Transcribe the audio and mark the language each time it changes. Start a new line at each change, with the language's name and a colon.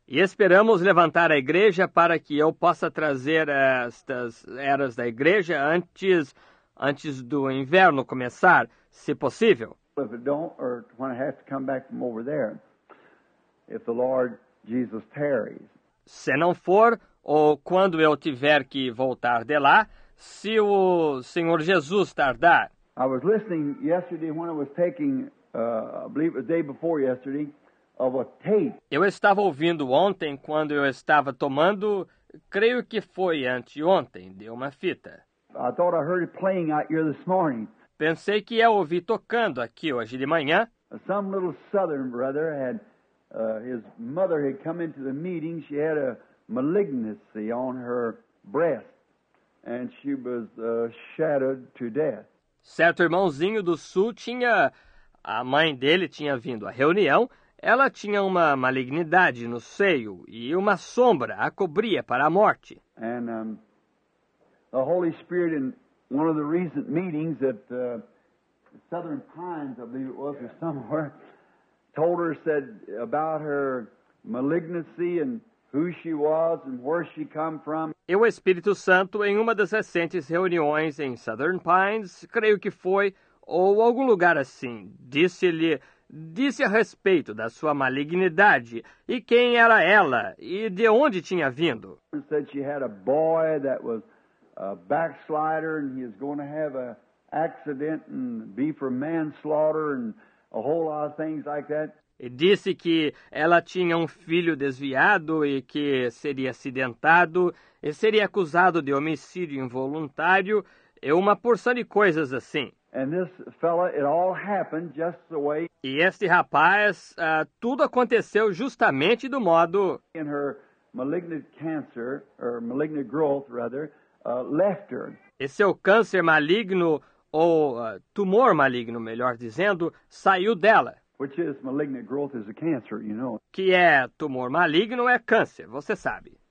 Portuguese: E esperamos levantar a igreja para que eu possa trazer estas eras da igreja antes do inverno começar, se possível.
English: If it don't, or when I have to come back from over there, if the Lord Jesus tarries.
Portuguese: Se não for, ou quando eu tiver que voltar de lá, se o Senhor Jesus tardar.
English: I was listening yesterday when I was taking, I believe it was the day before yesterday, of a tape.
Portuguese: Eu estava ouvindo ontem, quando eu estava tomando, creio que foi anteontem, de uma fita.
English: I thought I heard it playing out here this morning.
Portuguese: Pensei que eu ouvi tocando aqui hoje de manhã.
English: Some little southern brother had his mother had come into the meeting. She had a malignancy on her breast and she was shattered to death.
Portuguese: Certo irmãozinho do sul tinha a mãe dele tinha vindo à reunião. Ela tinha uma malignidade no seio e uma sombra a cobria para a morte.
English: And the Holy Spirit in one of the recent meetings at Southern Pines, I believe it was, or somewhere, told her, said about her malignancy and who she was and where she come from.
Portuguese: E o Espírito Santo, em uma das recentes reuniões em Southern Pines, creio que foi, ou algum lugar assim, disse a respeito da sua malignidade e quem era ela e de onde tinha vindo.
English: Said she had a boy that was a backslider and he is going to have a accident and be for manslaughter and a whole lot of things like that.
Portuguese: E disse que ela tinha um filho desviado e que seria acidentado e seria acusado de homicídio involuntário e uma porção de coisas assim.
English: And this fella, it all happened just the way.
Portuguese: E este rapaz, tudo aconteceu justamente do modo.
English: In her malignant cancer or malignant growth rather. Left her.
Portuguese: E seu câncer maligno, ou tumor maligno, melhor dizendo, saiu dela.
English: Which is malignant growth is a cancer, you know.
Portuguese: Que é tumor maligno é câncer, você sabe.